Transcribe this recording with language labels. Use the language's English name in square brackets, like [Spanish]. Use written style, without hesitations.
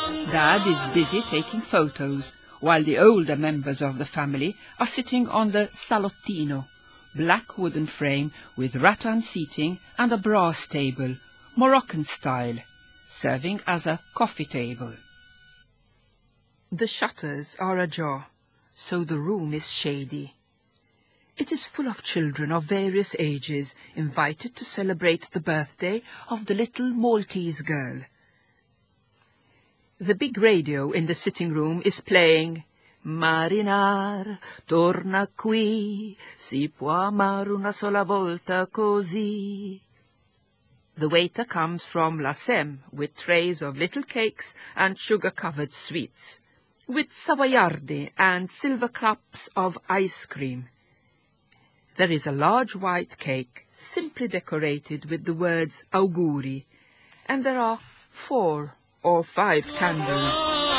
[English] Dad is busy taking photos, while the older members of the family are sitting on the salottino, black wooden frame with rattan seating and a brass table, Moroccan style, serving as a coffee table. The shutters are ajar, so the room is shady. It is full of children of various ages, invited to celebrate the birthday of the little Maltese girl. The big radio in the sitting room is playing [Italian] Marinar, torna qui, si può amar una sola volta così. [English] The waiter comes from La Sem with trays of little cakes and sugar-covered sweets, with savoyardi and silver cups of ice cream. There is a large white cake, simply decorated with the words auguri, and there are four or five candles.